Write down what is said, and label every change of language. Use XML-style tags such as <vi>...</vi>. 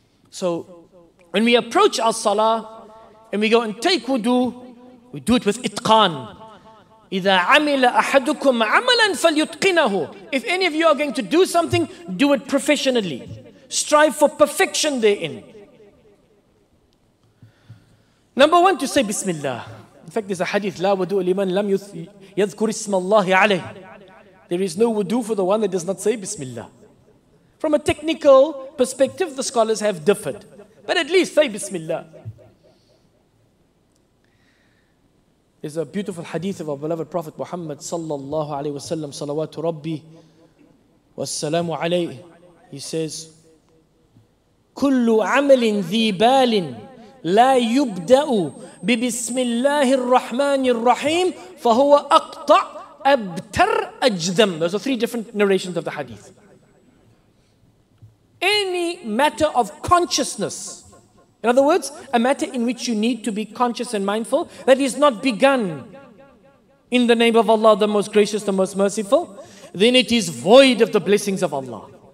<en>So when we approach our salah and we go and take wudu, we do it with itqan.</en> <ar>إِذَا عَمِلَ أَحَدُكُمْ عَمَلًا فَلْيُتْقِنَهُ.</ar> <en>If any of you are going to do something, do it professionally. Strive for perfection therein. Number one, to say Bismillah. In fact, there's a hadith,</en> <ar>لا ودو لمن لم يذكر اسم الله عليه.</ar> <en>There is no wudu for the one that does not say Bismillah. From a technical perspective, the scholars have differed. But at least say Bismillah. There's a beautiful hadith of our beloved Prophet Muhammad sallallahu alayhi wa sallam,</en> <ar>salawatu rabbi wa salamu alayhi.</ar> <en>He says,</en> <ar>كل عمل ذي بال لا يبدأ ببسم الله الرحمن الرحيم فهو أقطع أبتر أجذم.</ar> <en>Those are three different narrations of the hadith. Any matter of consciousness, in other words, a matter in which you need to be conscious and mindful, that is not begun in the name of Allah, the most gracious, the most merciful, then it is void of the blessings of Allah.</en>